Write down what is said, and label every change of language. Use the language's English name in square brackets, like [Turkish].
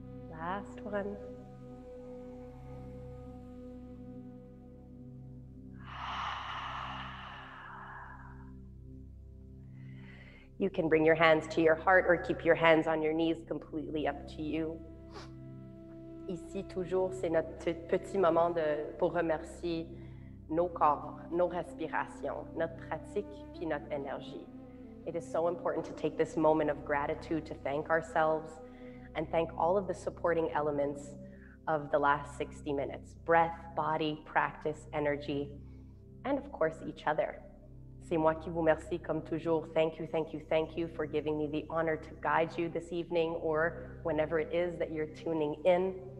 [English] Last one. You can bring your hands to your heart or keep your hands on your knees, completely up to you. [French] Ici, toujours, c'est notre petit moment pour remercier nos corps, nos respirations, notre pratique, puis notre énergie. [English] It is so important to take this moment of gratitude to thank ourselves and thank all of the supporting elements of the last 60 minutes. Breath, body, practice, energy, and of course, each other. [French] C'est moi qui vous remercie comme toujours. [English] Thank you for giving me the honor to guide you this evening or whenever it is that you're tuning in.